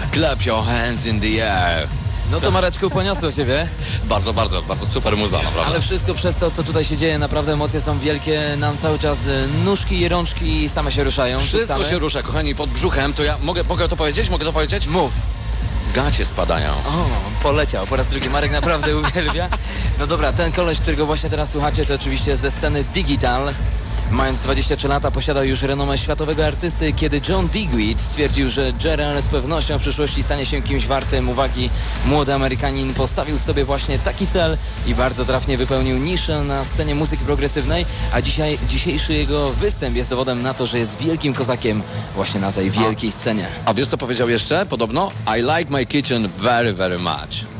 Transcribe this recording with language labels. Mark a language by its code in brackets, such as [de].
[en] Clap your hands in the air. [pl] No to Mareczku, poniosło ciebie. Bardzo, bardzo, bardzo super muza, naprawdę. Ale wszystko przez to, co tutaj się dzieje, naprawdę emocje są wielkie. Nam cały czas nóżki i rączki same się ruszają. Wszystko tutaj się rusza, kochani, pod brzuchem. To ja mogę to powiedzieć? Mogę to powiedzieć? Mów. Gacie spadają. O, poleciał po raz drugi. Marek naprawdę uwielbia. No dobra, ten koleś, którego właśnie teraz słuchacie, to oczywiście ze sceny Digital. Mając 23 lata, posiadał już renomę światowego artysty, kiedy John Digweed stwierdził, że Jarrell z pewnością w przyszłości stanie się kimś wartym uwagi. Młody Amerykanin postawił sobie właśnie taki cel i bardzo trafnie wypełnił niszę na scenie muzyki progresywnej, a dzisiejszy jego występ jest dowodem na to, że jest wielkim kozakiem właśnie na tej wielkiej scenie. A wiesz, co powiedział jeszcze? Podobno? [en] I like my kitchen very, very much.